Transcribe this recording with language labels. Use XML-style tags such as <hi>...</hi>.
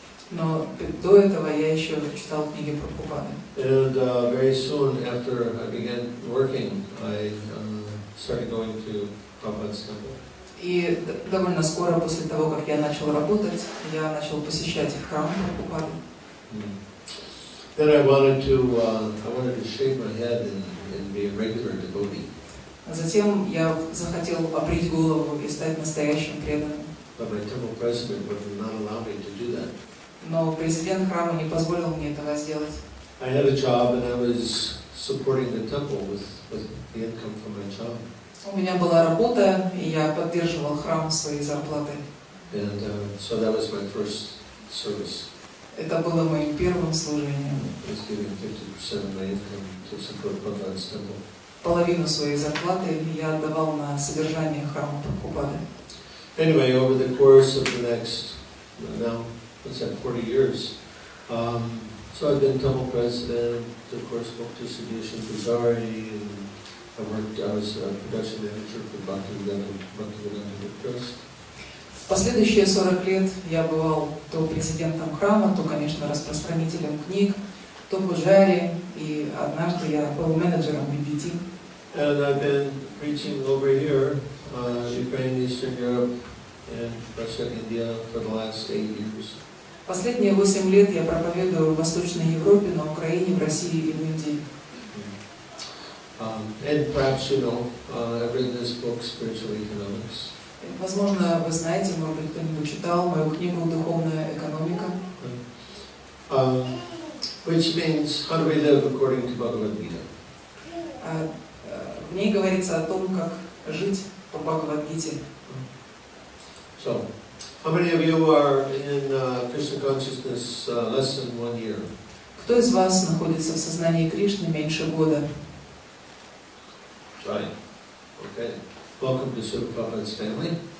<ru>Но до этого я еще читал книги Прабхупады.</ru> <en>And very soon after I began working, I started going to Prabhupada's temple.</en> <ru>И довольно скоро после того, как я начал работать, я начал посещать храм Прабхупады.</ru> <en>Then I wanted to shave my head and be a regular devotee.</en> <ru>Затем я захотел побрить голову и стать настоящим преданным.</ru> <en>But my temple president would not allow me to do that.</en> <ru>Но президент храма не позволил мне этого сделать.</ru> <en>I had a job and I was supporting the temple with the income from my job.</en> <ru>У меня была работа, и я поддерживал храм своей зарплатой.</ru> <en>And so that was my first service.</en> <ru>Это было моим первым служением.</ru> <en>I was giving 50% of my income to support Prabhupada's temple.</en> <ru>Половину своей зарплаты я отдавал на содержание храма Прабхупады.</ru> <en>Anyway, over the course of the next, now, it's at 40 years. So I've been temple president, of course, book distribution for Zari, and I was a production manager for Bhaktivedanta Trust.</en> <ru>В последующие 40 лет я бывал то президентом храма, то, конечно, распространителем книг, то пуджари, и однажды я был менеджером BBT.</ru> <en>And I've been preaching over here, Ukraine, Eastern Europe, and Russia, India for the last 8 years.</en> <ru>Последние 8 лет я проповедую в Восточной Европе, на Украине, в России и в Индии.</ru> <en>And perhaps you know, I've written this book, Spiritual Economics.</en> <ru>Возможно, вы знаете, может быть, кто-нибудь читал мою книгу «Духовная экономика».</ru> <en>Which means, how do we live according to Bhagavad Gita?</en> <ru>В ней говорится о том, как жить по Бхагавад Гите.</ru> <en>So, how many of you are in Krishna consciousness less than 1 year?</en> <ru>Кто из вас находится в сознании Кришны меньше года?</ru> <en>Try. Okay. Welcome to Sri Prabhupada's family.</en>